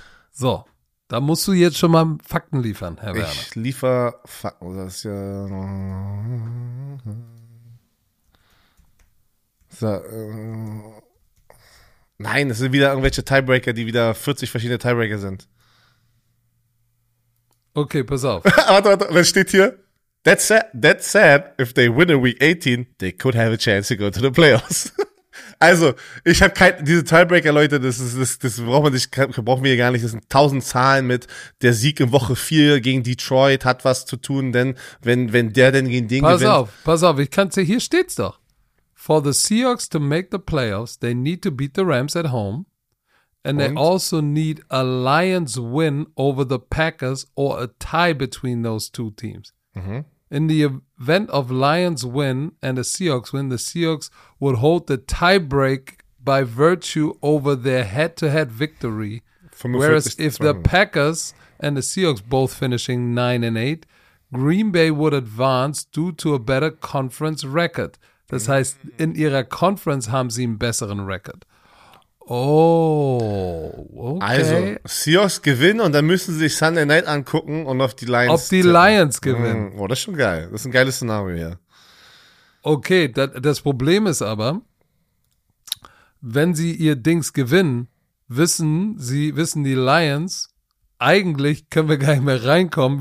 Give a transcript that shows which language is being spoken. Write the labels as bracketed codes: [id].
[de] So, da musst du jetzt schon mal Fakten liefern, Herr Werner. Ich liefer Fakten. Das ist ja. So. Nein, es sind wieder irgendwelche Tiebreaker, die wieder 40 verschiedene Tiebreaker sind. Okay, pass auf. Warte, was steht hier? [en] That said, if they win in week 18, they could have a chance to go to the playoffs. [de] Also, ich habe kein, diese Tiebreaker, Leute, das braucht man nicht, brauchen wir hier gar nicht. Das sind 1000 Zahlen mit der Sieg in Woche 4 gegen Detroit hat was zu tun, denn wenn der denn gegen den pass gewinnt. Pass auf, ich kann's ja, hier steht's doch. [en] For the Seahawks to make the playoffs, they need to beat the Rams at home. And they also need a Lions win over the Packers or a tie between those two teams. In the event of Lions win and the Seahawks win, the Seahawks would hold the tiebreak by virtue over their head-to-head victory. Whereas if the Packers and the Seahawks both finishing 9-8, Green Bay would advance due to a better conference record. [de] Das heißt, in ihrer Conference haben sie einen besseren Record. Oh, okay. Also, Seahawks gewinnen und dann müssen sie sich Sunday Night angucken und auf die Lions. Ob die tippen. Lions gewinnen. Oh, das ist schon geil. Das ist ein geiles Szenario hier. Okay, das Problem ist aber, wenn sie ihr Dings gewinnen, wissen die Lions, eigentlich können wir gar nicht mehr reinkommen.